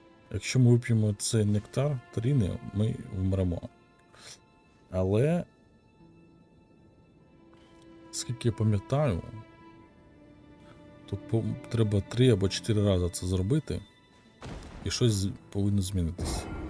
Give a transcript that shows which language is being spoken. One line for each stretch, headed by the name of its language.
Russian: Якщо мы выпьем цей нектар Тріни, мы умрем. Але, сколько я помню, тут треба три або четыре раза это сделать.
Ukrainian: І щось повинно змінитися.